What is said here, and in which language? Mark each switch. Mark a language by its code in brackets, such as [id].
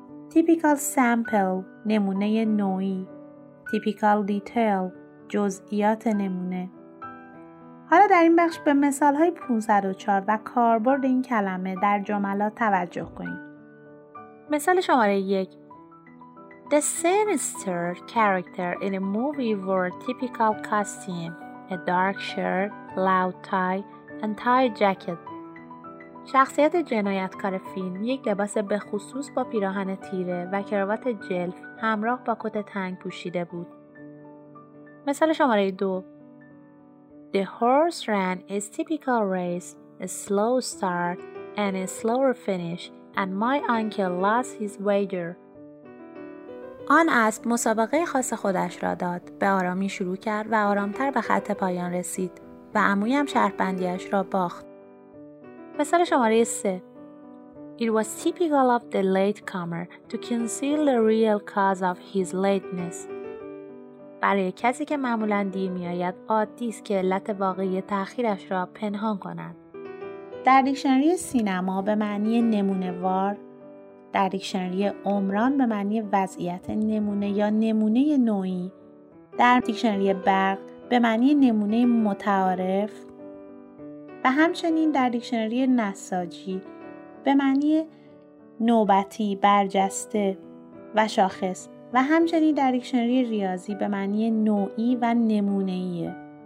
[en] Typical sample [fa] نمونه نوعی. [en] Typical detail [fa] جزئیات نمونه. حالا در این بخش به مثال های 504 و کاربرد این کلمه در جملات توجه کنید. مثال شماره 1. [en] The sinister character in a movie wore a typical costume, a dark shirt, loud tie and tie jacket. [fa] شخصیت جنایتکار فیلم یک لباس به خصوص با پیراهن تیره و کراوات جلف همراه با کت تنگ پوشیده بود. مثال شماره 2. [en] The horse ran is typical race, a slow start and a slower finish and my uncle lost his wager. [fa] آن اسب مسابقه خاص خودش را داد، به آرامی شروع کرد و آرامتر به خط پایان رسید و عمویم شرط‌بندی‌اش را باخت. مثال شماره 3. [en] It was typical of the latecomer to conceal the real cause of his lateness. [fa] برای کسی که معمولاً دیر می‌آید، عادی است که علت واقعی تأخیرش را پنهان کند. در دیکشنری سینما به معنی نمونه‌وار، در دیکشنری عمران به معنی وضعیت نمونه یا نمونه نوعی، در دیکشنری برق به معنی نمونه متعارف و همچنین در دیکشنری نساجی به معنی نوبتی، برجسته و شاخص و همچنین در دیکشنری ریاضی به معنی نوعی و نمونه‌ایه.